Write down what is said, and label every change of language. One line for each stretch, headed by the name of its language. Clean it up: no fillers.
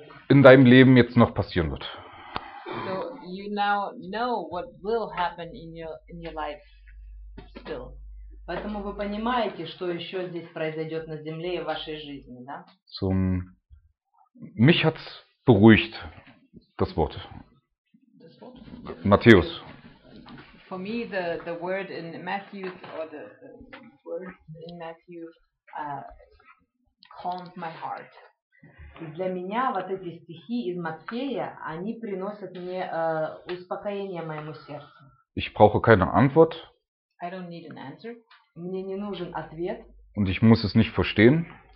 German: in deinem Leben jetzt noch passieren wird.
English: So you now know what will happen in your life still.
Russian: Поэтому вы понимаете, что еще здесь произойдет на земле и в вашей жизни, да?
German: So, mich hat's beruhigt, das Wort. Das Wort? Matthäus.
English: For me the word in Matthew or the word in Matthew calmed my heart.
Russian: Для меня вот эти стихи из Матфея, они приносят мне успокоение моему сердцу.
German: Ich brauche keine Antwort.
English: I don't need an answer.
Russian: Мне не нужен ответ.
German: Und ich muss es nicht verstehen.